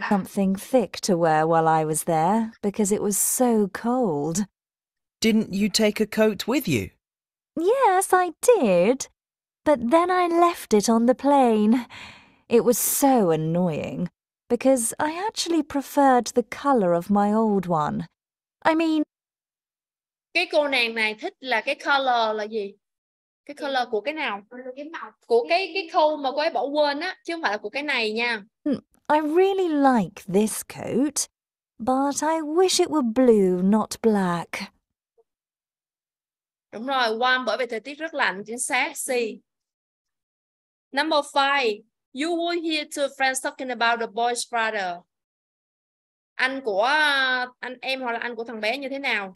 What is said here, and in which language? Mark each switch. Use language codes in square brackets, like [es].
[en] Something thick to wear while I was there, because it was so cold. Didn't you take a coat with you? Yes, I did. But then I left it on the plane. It was so annoying because I actually preferred the color of my old one. I mean, [vi] cái cô nàng này thích là cái color là gì? Cái color của cái nào? Của cái coat mà cô ấy bỏ quên á, chứ không phải là của cái này nha. [en] I really like this coat, but I wish it were blue, not black. [vi] Đúng rồi, warm bởi vì thời tiết rất lạnh, chính xác. [en] C. Number 5. You will hear two friends talking about the boy's brother. [vi] Anh của anh em hoặc là anh của thằng bé như thế nào?